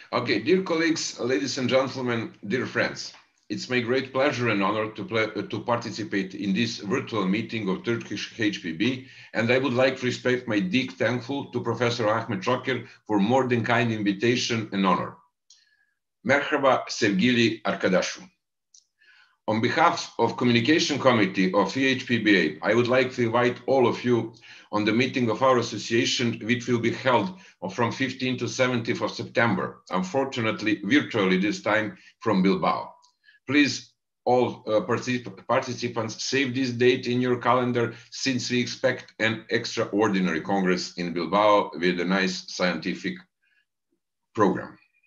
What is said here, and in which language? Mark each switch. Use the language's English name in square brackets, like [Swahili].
[English] Okay, dear colleagues, ladies and gentlemen, dear friends, it's my great pleasure and honor to participate in this virtual meeting of Turkish HPB, and I would like to respect my deep thankful to Professor Ahmet Çakır for more than kind invitation and honor. [Turkish] Merhaba sevgili arkadaşım. [English] On behalf of Communication Committee of EHPBA, I would like to invite all of you on the meeting of our association, which will be held from 15th to 17th of September, unfortunately virtually this time from Bilbao. Please, all participants, save this date in your calendar, since we expect an extraordinary congress in Bilbao with a nice scientific program.